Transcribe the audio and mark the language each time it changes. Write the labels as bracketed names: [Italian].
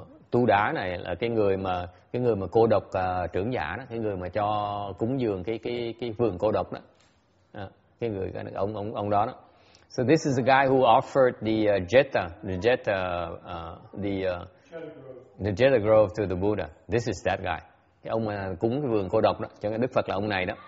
[Vietnamese] Tu Đá này là cái người mà cô độc trưởng giả đó, cái người mà cho cúng dường cái vườn cô độc đó. Cái người ông đó đó. [English] So this is the guy who offered the Jeta grove to the Buddha. This is that guy. [Vietnamese] Cái ông mà cúng cái vườn cô độc đó cho Đức Phật là ông này đó.